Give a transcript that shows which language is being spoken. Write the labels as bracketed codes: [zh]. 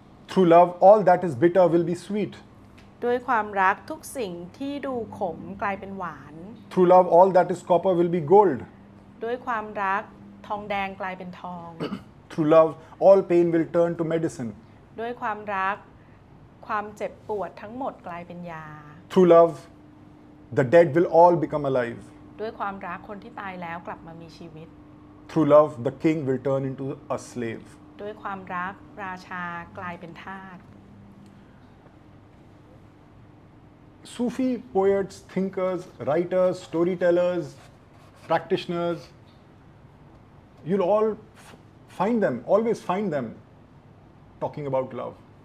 [en] True love all that is bitter will be sweet [th] ด้วยความรักทุกสิ่งที่ดูขมกลายเป็นหวาน [en] True love all that is copper will be gold [th] ด้วยความรักทองแดงกลายเป็นทอง [en] True love all pain will turn to medicine [th] ด้วยความรักความเจ็บปวดทั้งหมดกลายเป็นยา [en] True love the dead will all become alive [th] ด้วยความรักคนที่ตายแล้วกลับมามีชีวิต [en] True love the king will turn into a slave [th] ด้วยความรักราชากลายเป็นทาส [en] Sufi poets thinkers writers storytellers practitioners you'll all find them always find them talking about love